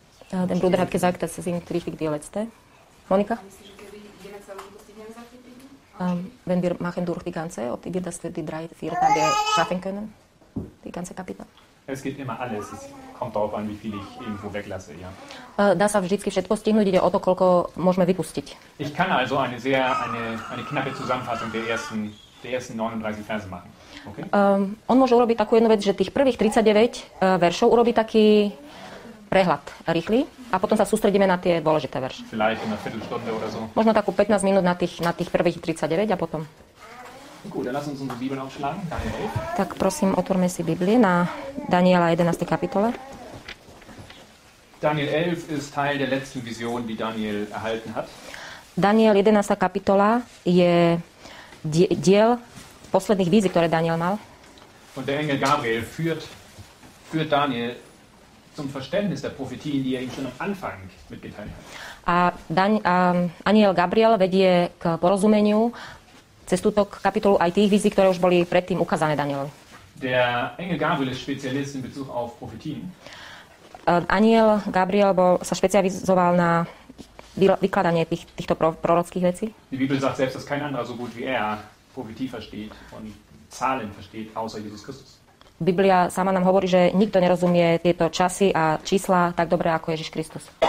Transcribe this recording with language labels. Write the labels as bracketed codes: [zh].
[de] Ten Bruder hat gesagt, dass es ihm richtig die letzte. Monika? Wenn wir machen durch die ganze, ob wir das für die drei, vier Tage schaffen können, die ganze Kapitel. Es geht immer alles. Es kommt darauf an, wie viel ich irgendwo weglasse, ja. [sk] Dá sa vždycky všetko stihnúť, ide o to, koľko môžeme vypustiť. [de] Ich kann also eine knappe Zusammenfassung der ersten 39 Verse machen. Okay? [sk] On môže urobiť takú jednu vec, že tých prvých 39 veršov urobí taký prehľad rýchly a potom sa sústredíme na tie dôležité verše. [de] Vielleicht in der Viertelstunde oder so. [sk] Možno takú 15 minút na tých prvých 39 a potom. [de] Gut, dann lass uns unsere Bibel aufschlagen. [sk] Tak prosím, otvorme si Biblie na Daniela 11. kapitole. [de] Daniel 11 ist Teil der letzten Vision, die Daniel erhalten hat. [sk] Daniel 11. kapitola je diel posledných vízií, ktoré Daniel mal. [de] Und der Engel Gabriel führt Daniel zum Verständnis der Prophetien, die er ihm schon am Anfang mitgeteilt hat. [sk] Aniel Gabriel vedie k porozumeniu cez túto kapitolu aj tých vízií, ktoré už boli predtým ukázané Danielovi. [de] Der Engel Gabriel ist Spezialist in Bezug auf Prophetien. [sk] Aniel Gabriel sa špecializoval na vykladanie týchto prorockých vecí. [de] Die Bibel sagt selbst, dass kein anderer so gut wie er Prophetie versteht und Zahlen versteht, außer Jesus Christus. [sk] Biblia sama nám hovorí, že nikto nerozumie tieto časy a čísla tak dobre ako Ježiš Kristus.